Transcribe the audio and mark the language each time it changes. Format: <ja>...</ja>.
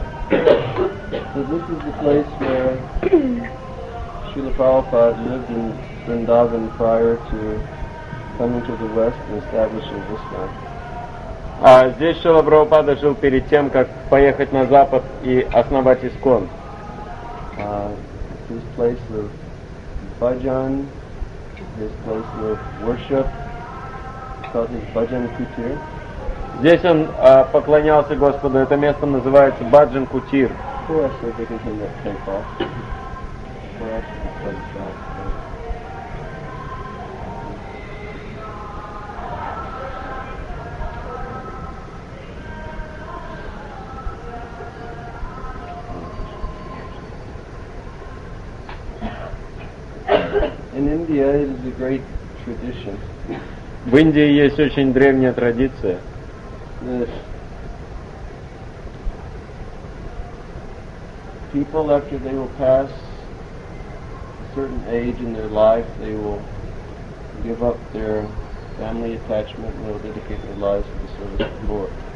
<en>So this is the place where Srila Prabhupada lived in Vrindavan prior to coming to the West and establishing ISKCON.</en> <ru>А здесь Шрила Прабхупада жил перед тем, как поехать на Запад и основать ИСККОН.</ru> <en>His place of bhajan, his place of worship, called his bhajan kutir.</en> <ru>Здесь он поклонялся Господу. Это место называется Баджан Кутир.</ru> <en>In India, it is a great tradition.</en> <ru>В Индии есть очень древняя традиция.</ru> <en>People after they will pass a certain age in their life, they will give up their family attachment and will dedicate their lives to the service of the Lord.</en>